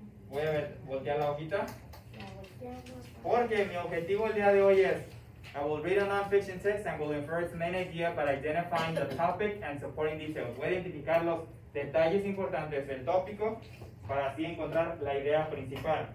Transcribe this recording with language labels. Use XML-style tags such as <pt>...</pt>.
<es>¿Voy a ver, voltear la hojita? Porque mi objetivo el día de hoy es,</es> <en>I will read a nonfiction text and will infer its main idea by identifying the topic and supporting details.</en> <es>Voy a identificar los detalles importantes del tópico para así encontrar la idea principal.</es>